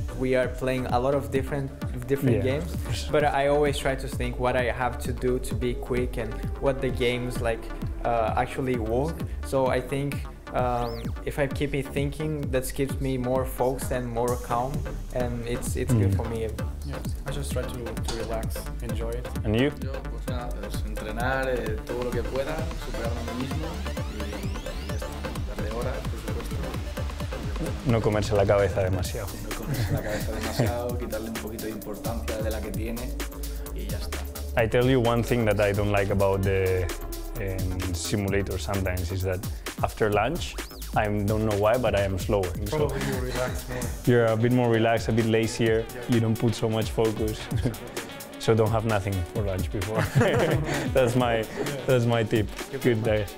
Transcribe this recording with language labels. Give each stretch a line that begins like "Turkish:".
English: We are playing a lot of different games, but I always try to think what I have to do to be quick and what the games like actually work. So I think if I keep it thinking, that keeps me more focused and more calm, and it's good for me. Yeah, I just try to relax, enjoy it. And you?
Spanish: Entrenar todo lo que pueda, superarme a mí mismo. No comerse la cabeza demasiado. No comerse la cabeza demasiado, quitarle un poquito de importancia de la que tiene y ya está.
English: I tell you one thing that I don't like about the simulator sometimes is that after lunch, I don't know why, but I am slower. Probably so, you relax more. You're a bit more relaxed, a bit lazier, yeah. You don't put so much focus. So don't have nothing for lunch before. That's my tip. Good day.